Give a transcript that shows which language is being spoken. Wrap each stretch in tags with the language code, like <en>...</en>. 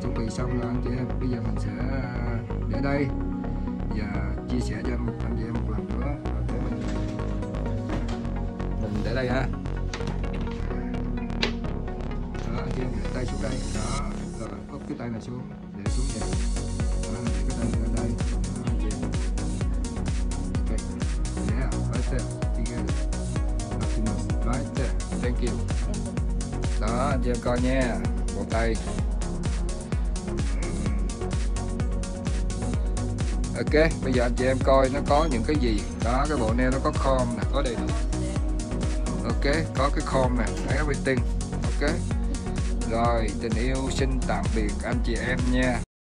<vi>Xong rồi anh chị em, bây giờ mình sẽ để đây và chia sẻ cho anh chị em một lần nữa. Mình để đây ha. Đó, anh chị em để tay xuống đây. Đó, rồi úp cái tay này xuống, để xuống nhẹ. Đó, để cái tay này ở đây. Đó, anh chị em.</vi> <en>Ok, yeah, right there, together. Not too much. Right there, thank you.</en> <vi>Đó, anh chị em coi nha, một tay. Ok, bây giờ anh chị em coi nó có những cái gì. Đó, cái bộ nail nó có comb nè, có đầy đủ. Ok, có cái comb nè, everything. Ok, rồi tình yêu xin tạm biệt anh chị em nha.</vi>